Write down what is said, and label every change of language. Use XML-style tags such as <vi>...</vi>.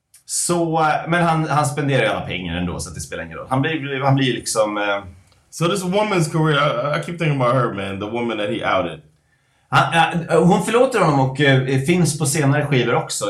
<sv>Så, men han spenderar ju alla pengar ändå, så att det spelar ingen roll. Han blir liksom...</sv> <en>So this woman's career, I keep thinking about her, man. The woman that he outed.</en> <sv>Hon förlåter honom och finns på senare skivor också.</sv>